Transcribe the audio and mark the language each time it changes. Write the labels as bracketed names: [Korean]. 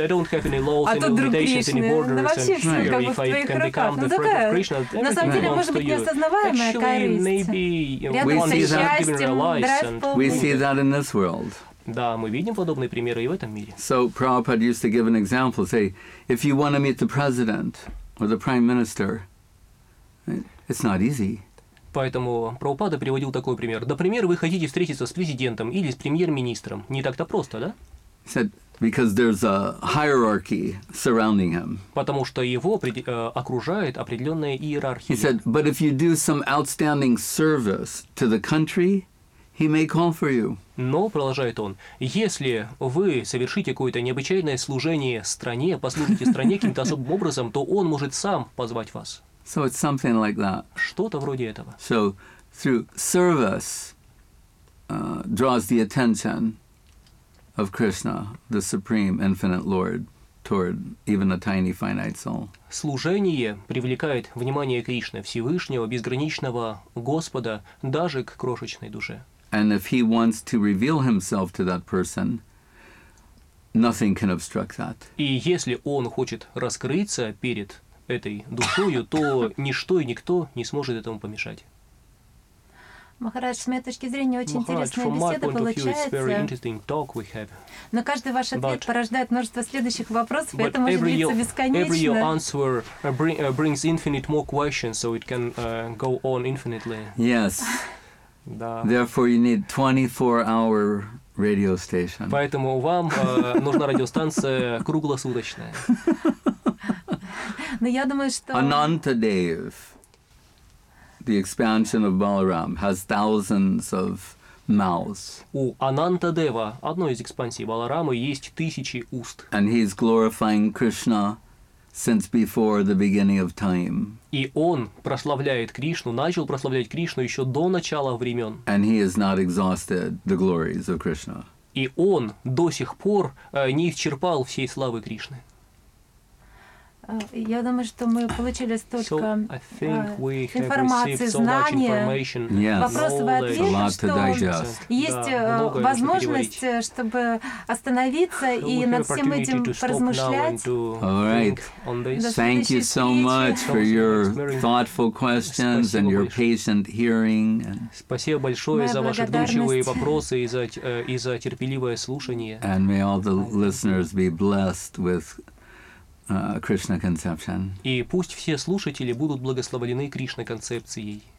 [English] I don't have any laws, any limitations, any borders, and fear. If I can become the friend of Krishna, everything belongs to you. Actually, maybe we see that given our lives, and we see that in this world. [Russian] Да, мы видим подобные примеры и в этом мире. [English] So Prabhupada used to give an example, say, if you want to meet the president or the prime minister, it's not easy. [Russian] Поэтому Прабхупада приводил такой пример. Например, вы хотите встретиться с президентом или с премьер-министром. Не так-то просто, да? [English] He said, because there's a hierarchy surrounding him. [Russian] Потому что его окружает определенная иерархия. [English] He said, but if you do some outstanding service to the country, he may call for you. [Russian] Но, продолжает он, если вы совершите какое-то необычайное служение стране, послужите стране каким-то особым образом, то он может сам позвать вас. [English] So it's something like that. [Russian] Что-то вроде этого. [English] So through service draws the attention of Krishna, the supreme infinite Lord, toward even a tiny finite soul. [Russian] Служение привлекает внимание Кришны, Всевышнего, безграничного Господа, даже к крошечной душе. [English] And if he wants to reveal himself to that person, nothing can obstruct that. [Russian] И если он хочет раскрыться перед этой душою, то ничто и никто не сможет этому помешать. Махарадж, с моей точки зрения, очень интересная беседа получается. Но каждый ваш ответ порождает множество следующих вопросов, поэтому может длиться бесконечно. [English] Every your answer brings infinite more questions, so it can go on infinitely. Yes. [Russian] Да. [English] Therefore, you need 24-hour radio station. [Russian] Поэтому вам нужна радиостанция круглосуточная. Но я думаю, что [English] Anantadev, the expansion of Balaram, has thousands of mouths. [Russian] У Анантадева, одной из экспансий Баларамы, есть тысячи уст. [English] And he's glorifying Krishna since before the beginning of time. [Russian] И он прославляет Кришну, начал прославлять Кришну еще до начала времен. [English] And he has not exhausted the glories of Krishna. [Russian] И он до сих пор не исчерпал всей славы Кришны. Я думаю, что мы получили столько информации, знания, вопросов и ответов, что есть возможность, чтобы остановиться и над всем этим поразмышлять. [English] All right. Thank you so much for your thoughtful questions and your patient hearing. [Russian] Спасибо большое за ваши вдумчивые вопросы и за терпеливое слушание. [English] And may all the listeners be blessed with Krishna conception. [Russian] И пусть все слушатели будут благословлены Кришна концепцией.